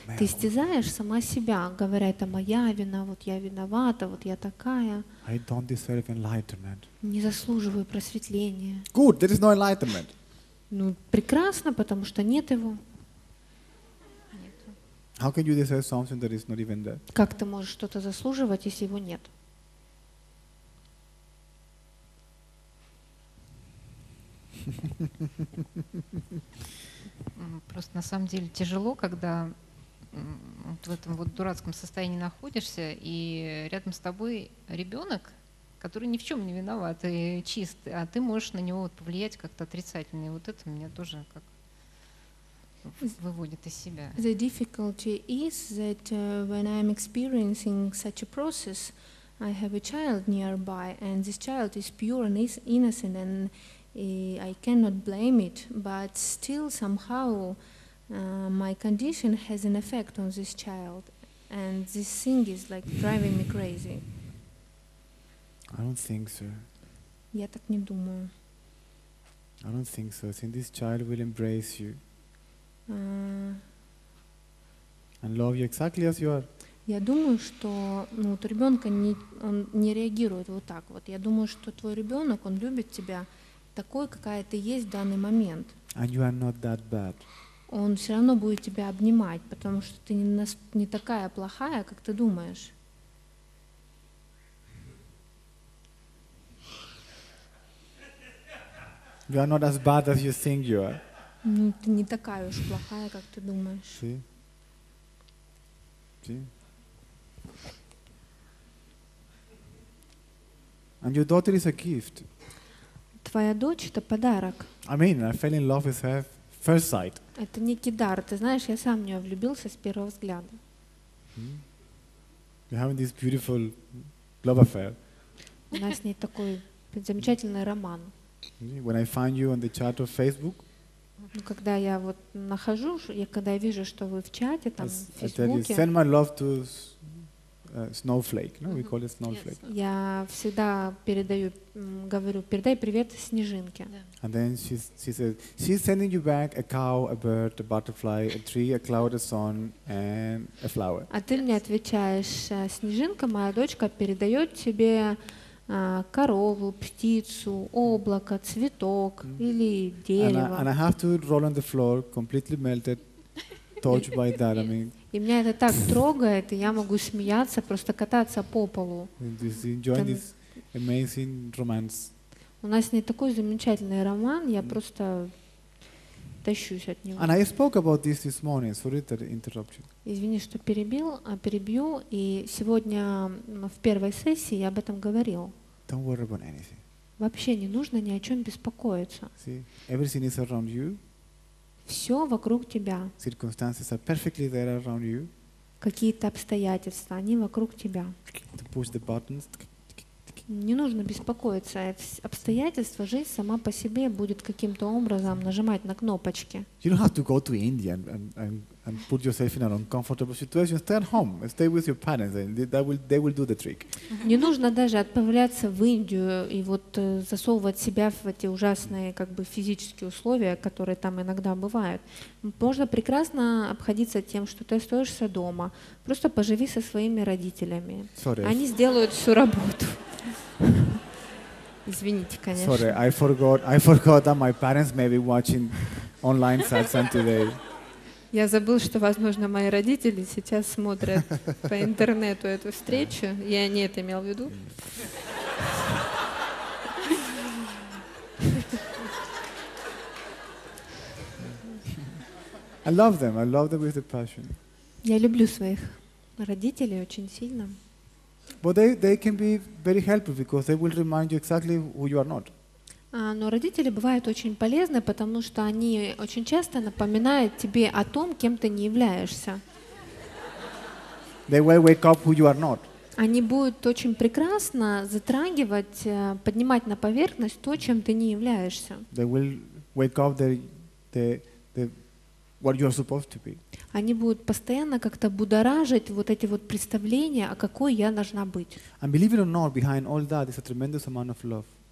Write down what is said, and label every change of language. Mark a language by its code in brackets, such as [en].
[ru] Ты истязаешь сама себя, говоря, это моя вина, вот я виновата, вот я такая. [en] I don't deserve enlightenment. [ru] Не заслуживаю просветления. [en] Good, there is no enlightenment. [ru] Ну, прекрасно, потому что нет его. [en] How can you deserve something that is not even there? [ru] Как ты можешь что-то заслуживать, если его нет? Просто на самом деле тяжело, когда вот в этом вот дурацком состоянии находишься, и рядом с тобой ребенок, который ни в чем не виноват и чист, а ты можешь на него вот повлиять как-то отрицательно. И вот это меня тоже как выводит из себя. [en] The difficulty is that when I'm experiencing such a process, I have a child nearby, and this child is pure and is innocent, and I cannot blame it, but still somehow my condition has an effect on this child, and this thing is like driving me crazy. I don't think so. [ru] Я так не думаю. [en] I don't think so. Since this child will embrace you and love you exactly as you are. [ru] Я думаю, что вот ребенка он не реагирует вот так вот. Я думаю, что твой ребенок, он любит тебя такой, какая ты есть в данный момент. [en] And you are not that bad. [ru] Он все равно будет тебя обнимать, потому что ты не такая плохая, как ты думаешь. [en] You are not as bad as you think you are. [ru] Ну, ты не такая уж плохая, как ты думаешь. [en] See? See? And your daughter is a gift. [ru] Твоя дочь — это подарок. [en] I mean, I fell in love with her first sight. [ru] Это некий дар. Ты знаешь, я сам в нее влюбился с первого взгляда. [en] You're having this beautiful love affair. [ru] У нас с ней такой замечательный роман. [en] When I find you on the chat of Facebook, [ru] Ну, когда я вот нахожу, я когда я вижу, что вы в чате, там, [en] as, [ru] в Фейсбуке. [en] You, send my love to Snowflake, no? We call it Snowflake. [ru] Я всегда передаю, говорю, передай привет снежинке. [en] Yeah. And then she says, she's sending you back a cow, a bird, a butterfly, a tree, a cloud, a sun, and a flower. [ru] А ты мне отвечаешь, снежинка, моя дочка передает тебе корову, птицу, облако, цветок или дерево. [en] And I have to roll on the floor, completely melted, touched by that. I mean. [ru] И меня это так трогает, и я могу смеяться, просто кататься по полу. [en] Enjoying this amazing romance. [ru] У нас не такой замечательный роман, я просто тащусь от него. [en] And I spoke about this this morning. Sorry for the interruption. [ru] Извини, что перебью. И сегодня в первой сессии я об этом говорил. [en] Don't worry about anything. [ru] Вообще не нужно ни о чем беспокоиться. [en] See, everything is around you. [ru] Все вокруг тебя. [en] Circumstances are perfectly there around you. [ru] Какие-то обстоятельства, они вокруг тебя. [en] To push the buttons. [ru] Не нужно беспокоиться. Обстоятельства, жизнь сама по себе будет каким-то образом нажимать на кнопочки. [en] You don't have to go to India and put yourself in an uncomfortable situation. Stay at home, stay with your parents, and they will do the trick. [ru] Не нужно даже отправляться в Индию и вот засовывать себя в эти ужасные как бы физические условия, которые там иногда бывают. Можно прекрасно обходиться тем, что ты остаешься дома. Просто поживи со своими родителями. [en] Sorry. [ru] Они сделают всю работу. Извините, конечно. [en] Sorry, I forgot that my parents may be watching online satsang today. [ru] Я забыл, что, возможно, мои родители сейчас смотрят по интернету эту встречу. Я не это имел в виду. [en] I love them. I love them with a passion. [ru] Я люблю своих родителей очень сильно. [en] But they can be very helpful because they will remind you exactly who you are not. [ru] Но родители бывают очень полезны, потому что они очень часто напоминают тебе о том, кем ты не являешься. [en] They will wake up who you are not. [ru] Они будут очень прекрасно затрагивать, поднимать на поверхность то, чем ты не являешься. [en] They will wake up the what you are supposed to be. [ru] Они будут постоянно как-то будоражить вот эти вот представления, о какой я должна быть. [en] And believe it or not, behind all that is a tremendous amount of love.